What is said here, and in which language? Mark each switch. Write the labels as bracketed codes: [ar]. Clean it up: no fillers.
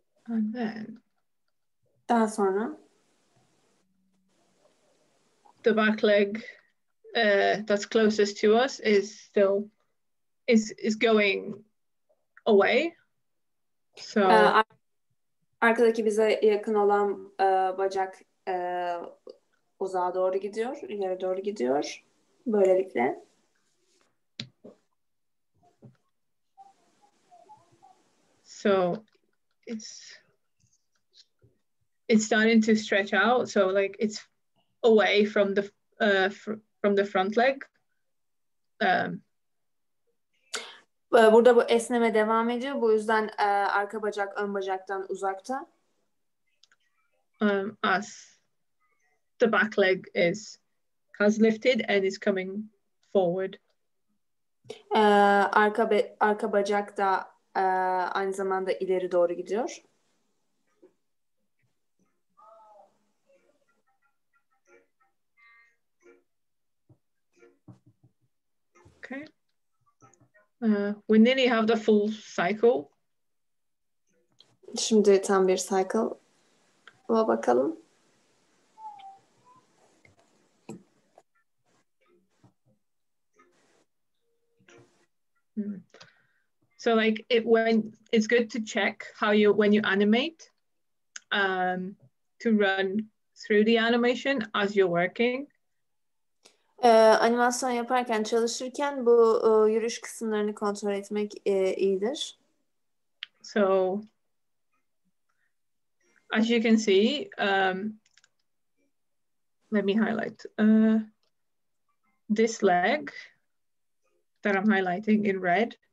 [en] And then [tr] daha sonra [en] the back leg that's closest to us is going away. So [tr] arkadaki bize yakın olan bacak uzağa doğru gidiyor, ileri doğru gidiyor. Böylelikle. [en] So it's starting to stretch out. So like it's away from the front leg. [tr] Burada bu esneme devam ediyor. Bu yüzden arka bacak ön bacaktan uzakta. [en] As the back leg is has lifted and is coming forward. [tr] Arka bacak da aynı zamanda ileri doğru gidiyor. [en] Okay. We nearly have the full cycle. [tr] Şimdi tam bir cycle. Ona bakalım. [en] So like it when it's good to check how you when you animate to run through the animation as you're working. [tr] Animasyon yaparken çalışırken bu yürüyüş kısımlarını kontrol etmek iyidir. [en] So as you can see let me highlight this leg that I'm highlighting in red.